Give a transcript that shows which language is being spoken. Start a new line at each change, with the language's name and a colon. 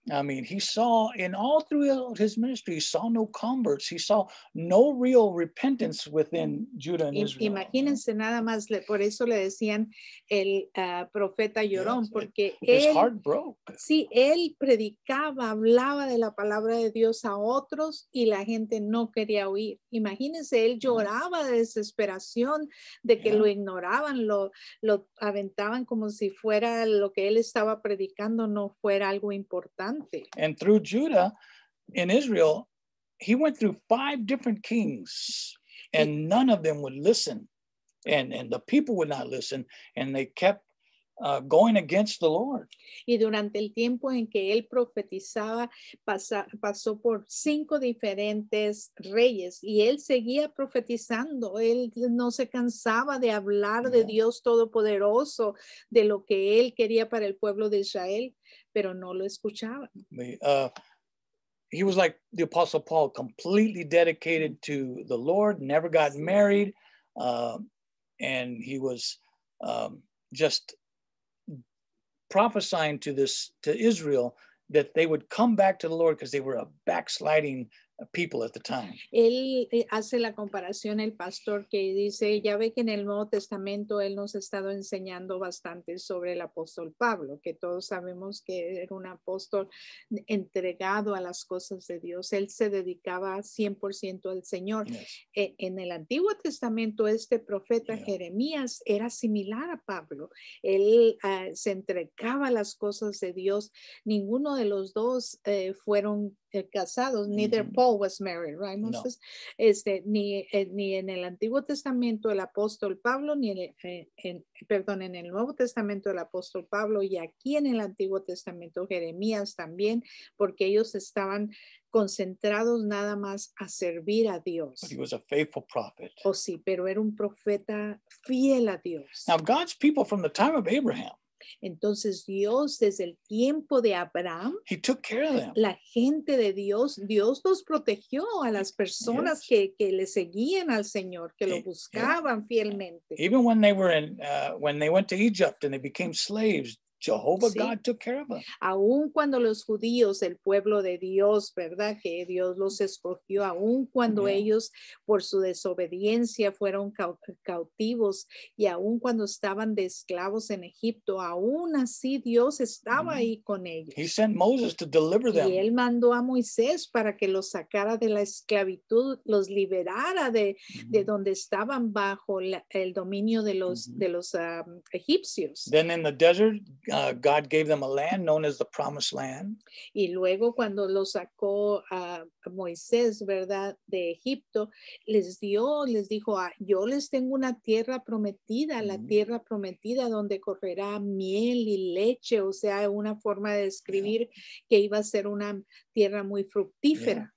English: I mean, he saw in all throughout his ministry, he saw no converts, he saw no real repentance within Judah and Israel.
Spanish: Imagínense nada más, por eso le decían el profeta llorón, porque
English: his heart broke.
Spanish: Sí, él predicaba, hablaba de la palabra de Dios a otros y la gente no quería oír. Imagínense, él lloraba de desesperación de que lo ignoraban, lo aventaban como si fuera lo que él estaba predicando no fuera algo importante.
English: And through Judah in Israel, he went through 5 different kings and none of them would listen. And the people would not listen and they kept going against the Lord.
Spanish: Y durante el tiempo en que él profetizaba, pasó por 5 diferentes reyes y él seguía profetizando. Él no se cansaba de hablar de Dios Todopoderoso, de lo que él quería para el pueblo de Israel, pero no lo escuchaba.
English: He was like the Apostle Paul, completely dedicated to the Lord, never got married, and he was just prophesying to Israel that they would come back to the Lord because they were a backsliding people at the time.
Spanish: Él hace la comparación, el pastor, que dice, ya ve que en el Nuevo Testamento él nos ha estado enseñando bastante sobre el apóstol Pablo, que todos sabemos que era un apóstol entregado a las cosas de Dios. Él se dedicaba 100% al Señor. En el Antiguo Testamento, este profeta Jeremías era similar a Pablo. Él se entregaba a las cosas de Dios. Ninguno de los dos fueron casados,
English: neither Paul was married, right, Moses?
Spanish: No. Ni en el Antiguo Testamento el apóstol Pablo, en el Nuevo Testamento el apóstol Pablo, y aquí en el Antiguo Testamento Jeremías también, porque ellos estaban concentrados nada más a servir a Dios.
English: But he was a faithful prophet.
Spanish: Oh, sí, pero era un profeta fiel a Dios.
English: Now, God's people from the time of Abraham,
Spanish: entonces Dios desde el tiempo de Abraham,
English: he took care of them.
Spanish: La gente de Dios, Dios los protegió a las personas que le seguían al Señor, que lo buscaban fielmente.
English: Even when they went to Egypt and they became slaves, Jehovah sí. God took care of them.
Spanish: Aún cuando los judíos, el pueblo de Dios, ¿verdad? Que Dios los escogió, aún cuando yeah. ellos por su desobediencia fueron cautivos y aún cuando estaban de esclavos en Egipto, aún así Dios estaba mm-hmm. ahí con ellos.
English: He sent Moses to deliver them.
Spanish: Y él mandó a Moisés para que los sacara de la esclavitud, los liberara de, mm-hmm. de donde estaban bajo la, el dominio de los, mm-hmm. de los egipcios.
English: Then in the desert, God gave them a land known as the Promised Land.
Spanish: Y luego cuando lo sacó a Moisés, ¿verdad? De Egipto, les dio, les dijo, yo les tengo una tierra prometida, mm-hmm. la tierra prometida donde correrá miel y leche. O sea, una forma de describir yeah. que iba a ser una tierra muy fructífera.